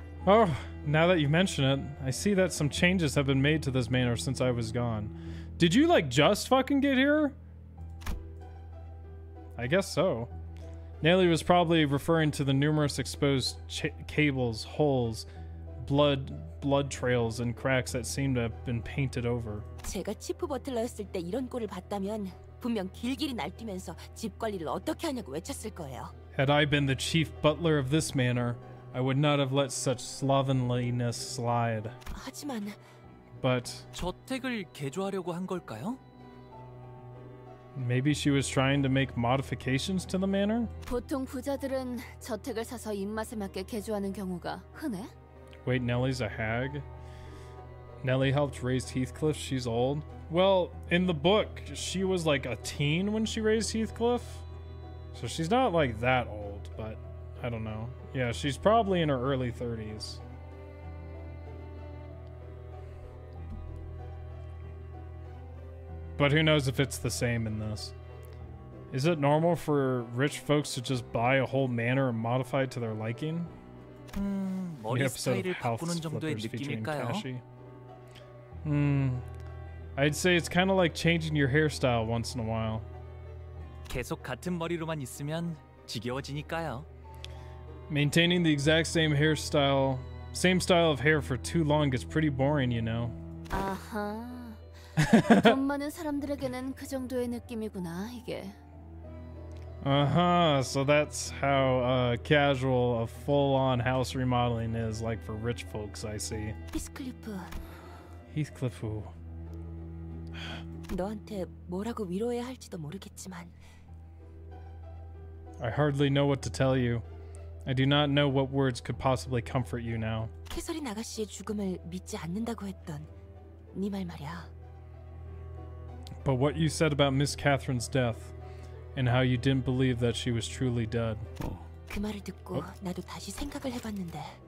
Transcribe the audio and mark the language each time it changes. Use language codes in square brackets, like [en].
[en] Oh, now that you mention it, I see that some changes have been made to this manor since I was gone. Did you like just fucking get here? I guess so. Nelly was probably referring to the numerous exposed cables, holes, blood trails, and cracks that seemed to have been painted over. [ko] 제가 치프 버틀러였을 때 이런 꼴을 봤다면 분명 길길이 날뛰면서 집 관리를 어떻게 하냐고 외쳤을 거예요. [en] Had I been the chief butler of this manor, I would not have let such slovenliness slide. [ko] 하지만 [en] But [ko] 저택을 개조하려고 한 걸까요? [en] Maybe she was trying to make modifications to the manor? [ko] 보통 부자들은 저택을 사서 입맛에 맞게 개조하는 경우가 흔해? [en] Wait, Nelly's a hag? Nelly helped raise Heathcliff, she's old? Well, in the book, she was like a teen when she raised Heathcliff. So she's not like that old, but I don't know. Yeah, she's probably in her early 30s. But who knows if it's the same in this. Is it normal for rich folks to just buy a whole manor and modify it to their liking? The episode of House Flippers featuring Kashi. I'd say it's kind of like changing your hairstyle once in a while. [ko] 계속 같은 머리로만 있으면 지겨워지니까요. [en] Maintaining the exact same style of hair for too long gets pretty boring, you know. Uh-huh. [ko] 돈 많은 사람들에게는 그 정도의 느낌이구나 이게. [en] Uh-huh. So that's how casual a full-on house remodeling is like for rich folks, I see. Heathcliff. [ko] 너한테 뭐라고 위로해야 할지도 모르겠지만. [en] I hardly know what to tell you. I do not know what words could possibly comfort you now. [ko] 캐서린 아가씨의 죽음을 믿지 않는다고 했던 네 말 말이야. [en] But what you said about Miss Catherine's death and how you didn't believe that she was truly dead. [ko] 그 말을 듣고 나도 다시 생각을 해봤는데.